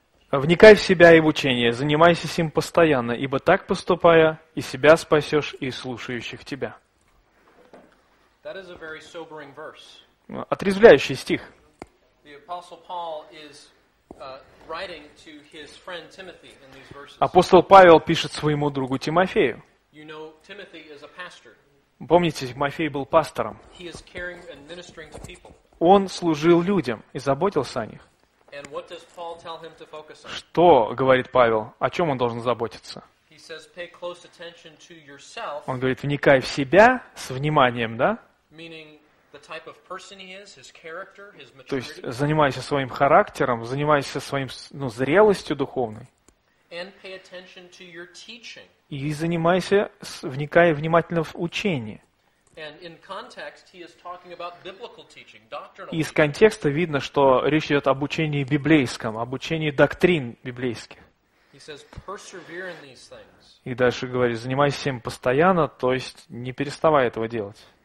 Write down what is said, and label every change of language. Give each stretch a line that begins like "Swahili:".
Russian: «Вникай в себя и в учение, занимайся сим постоянно, ибо так поступая, и себя спасешь, и слушающих тебя».
English: That is a very sobering verse.
Russian: Отрезвляющий стих.
English: The Apostle Paul is, writing to his friend Timothy in these verses.
Russian: Апостол Павел пишет своему другу Тимофею.
English: You know, Timothy is a pastor.
Russian: Помните, Тимофей был пастором.
English: He is caring and ministering to people.
Russian: Он служил людям и заботился о них.
English: And what does Paul tell him to focus on?
Russian: Что говорит Павел? О чем он должен заботиться?
English: He says, pay close attention to yourself.
Russian: Он говорит, вникай в себя с вниманием, да?
English: Meaning the type of person he is, his character, his maturity.
Russian: То есть занимайся своим характером, занимайся своим, ну, зрелостью духовной.
English: And pay attention to your teaching.
Russian: И занимайся, вникай внимательно в учение.
English: And in context, he is talking about biblical teaching, doctrinal.
Russian: Из контекста видно, что речь идет об учении библейском, об учении доктрин библейских.
English: He says, persevere in these things.
Russian: И дальше говорит, занимайся им постоянно, то есть не переставай этого делать.